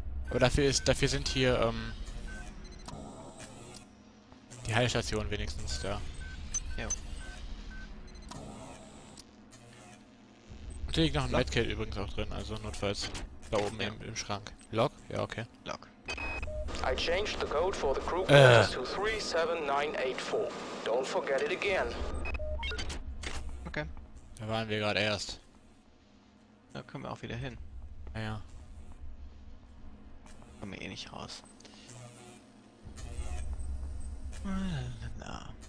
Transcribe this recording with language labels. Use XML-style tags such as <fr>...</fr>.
<de>Aber dafür sind hier die Heilstation wenigstens da. Ja. Hier liegt noch ein Medkit übrigens auch drin, also notfalls da oben im Schrank. Log? Ja, okay. Log.</de> <en>I changed the code for the crew quarters to 37984. Don't forget it again. Okay.</en> <de>Da waren wir gerade erst. Da können wir auch wieder hin. Ja, ja. Kommen wir eh nicht raus. Na.</de>